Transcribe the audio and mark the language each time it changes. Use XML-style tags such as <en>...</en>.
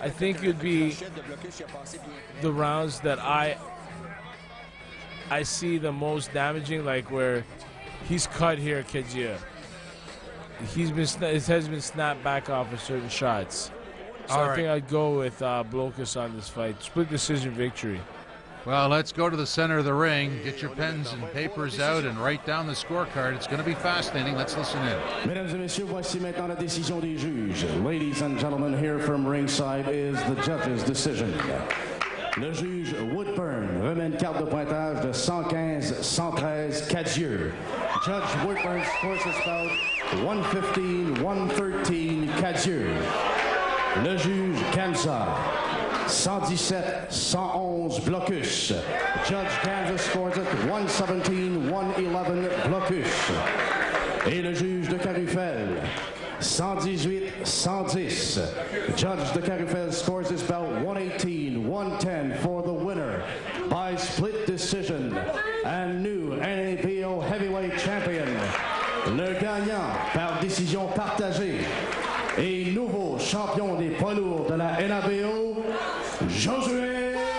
<en>I think it'd be the rounds that I see the most damaging, like where he's cut here, Cadieux. His head's been snapped back off of certain shots. So all right. I think I'd go with Blocus on this fight. Split decision victory. Well, let's go to the center of the ring. Get your pens and papers out and write down the scorecard. It's going to be fascinating. Let's listen in.</en> <fr>Mesdames et messieurs, voici maintenant la décision des juges.</fr> <en>Ladies and gentlemen, here from ringside is the judge's decision.</en> <fr>Le juge Woodburn remet une carte de pointage de 115-113 Cadieux.</fr> <en>Judge Woodburn scores his bout 115-113 Cadieux.</en> <fr>Le juge Kansa, 117-111 Blocus.</fr> <en>Judge Kansa scores it 117-111 Blocus.</en> <fr>Et le juge de Carufel, 118-110.</fr> <en>Judge de Carufel scores his belt 118-110 for the winner by split decision and new NABO heavyweight champion.</en> <fr>Le gagnant par décision partagée. Et nouveau champion des poids lourds de la NABO, Josue.</fr>